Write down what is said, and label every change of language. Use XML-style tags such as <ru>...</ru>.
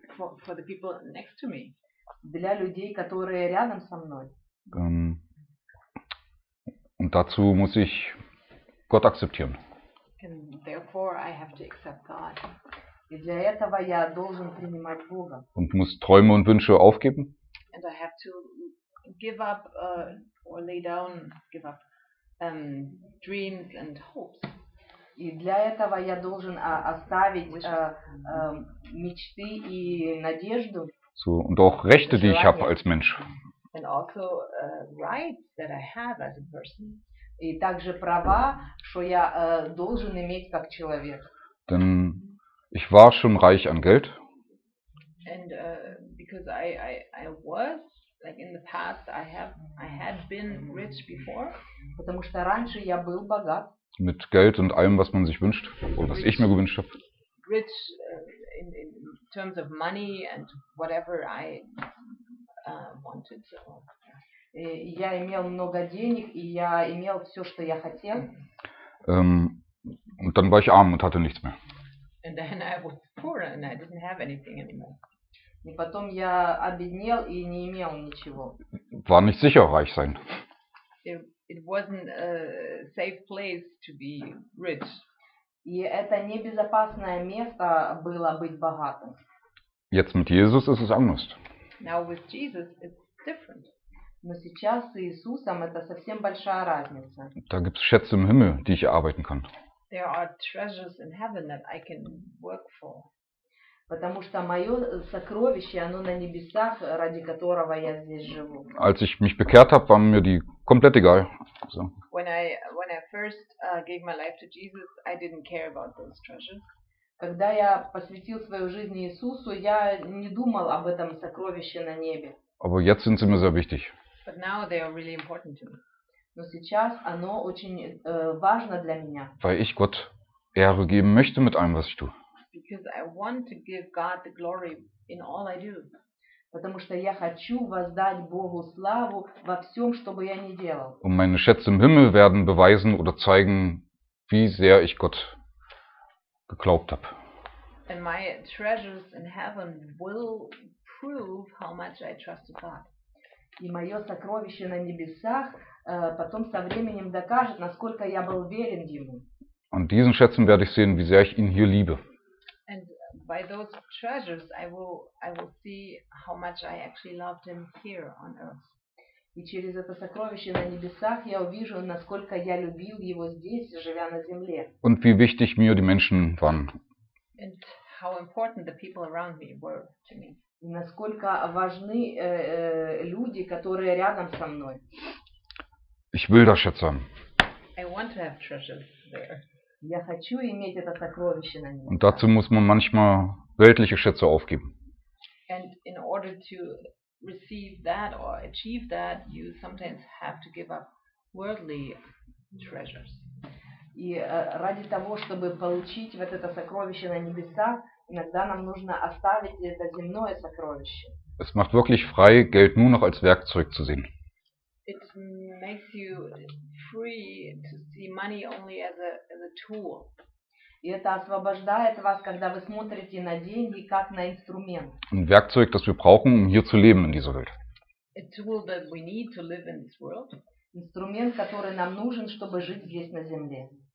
<en>For the people next to me.</en> <ru>Для людей, которые рядом со мной.</ru> <de>Und dazu muss ich Gott akzeptieren.</de> <en>And therefore I have to accept God.</en> <ru>И для этого я должен принимать Бога.</ru> <de>Und muss Träume und Wünsche aufgeben.</de> <en>And I have to give up or lay down, give up dreams and hopes.</en> <ru>И для этого я должен оставить мечты и надежду.</ru> <de>So, und auch Rechte, die ich habe als Mensch.</de> <en>And also rights that I have as a person.</en> <ru>И также права, что я должен иметь как человек.</ru> <de>Denn ich war schon reich an Geld.</de> <en>And because I was like in the past I had been rich before.</en> <ru>Потому что раньше я был богат.</ru> <de>Mit Geld und allem, was man sich wünscht, oder was ich mir gewünscht habe.</de> <en>Rich in terms of money and whatever I wanted.</en> <ru>Я имел много денег и я имел все, что я хотел.</ru> <de>Und dann war ich arm und hatte nichts mehr.</de> <en>And then I was poor and I didn't have anything anymore.</en> <ru>И потом я обеднел и не имел ничего.</ru> <de>War nicht sicher reich sein.</de> <en>It wasn't a safe place to be rich.</en> <ru>И это небезопасное место было быть богатым.</ru> <de>Jetzt mit Jesus ist es anders.</de> <en>Now with Jesus it's different.</en> <ru>Но сейчас с Иисусом это совсем большая разница.</ru> <de>Da gibt's Schätze im Himmel, die ich erarbeiten kann.</de> <en>There are treasures in heaven that I can work for.</en> <ru>Потому что мое сокровище, оно на небесах, ради которого я здесь живу.</ru> <de>Als ich mich bekehrt habe, war mir die komplett egal.</de> <en>So. When I first gave my life to Jesus, I didn't care about those treasures.</en> <ru>Когда я посвятил свою жизнь Иисусу, я не думал об этом сокровище на небе.</ru> <de>Aber jetzt sind sie mir sehr wichtig.</de> <en>But now they are really important to me.</en> <ru>Но сейчас оно очень важно для меня.</ru> <de>Weil ich Gott Ehre geben möchte mit allem, was ich tue.</de> <en>Because I want to give God the glory in all I do.</en> <ru>Потому что я хочу воздать Богу славу во всем, что бы я ни делал.</ru> <de>Und meine Schätze im Himmel werden beweisen oder zeigen, wie sehr ich Gott geglaubt habe.</de> <en>And my treasures in heaven will prove how much I trusted God.</en> <ru>И мое сокровище на небесах потом со временем докажет, насколько я был верен ему.</ru> <de>Und diesen Schätzen werde ich sehen, wie sehr ich ihn hier liebe.</de> <en>And by those treasures I will see how much I actually loved him here on earth.</en> <ru>И через это сокровище на небесах я увижу, насколько я любил его здесь, живя на земле.</ru> <de>Und wie wichtig mir die Menschen waren.</de> <en>And how important the people around me were to me.</en> <ru>И насколько важны люди, которые рядом со мной.</ru> <de>Ich will da Schätze haben.</de> <en>I want to have treasures there.</en> <ru>Я хочу иметь это сокровище на небесах.</ru> <de>Und dazu muss man manchmal weltliche Schätze aufgeben.</de> <en>And in order to receive that or achieve that, you sometimes have to give up worldly treasures.</en> <ru>И ради того, чтобы получить вот это сокровище на небесах, иногда нам нужно оставить это земное сокровище.</ru> <de>Es macht wirklich frei, Geld nur noch als Werkzeug zu sehen.</de> <en>It makes you free to see money only as a tool.</en> <ru>И это освобождает вас, когда вы смотрите на деньги как на инструмент.</ru> <de>Ein Werkzeug, das wir brauchen, um hier zu leben in dieser Welt.</de> <en>A tool that we need to live in this world.</en> <ru>Инструмент, который нам нужен, чтобы жить здесь на земле.</ru>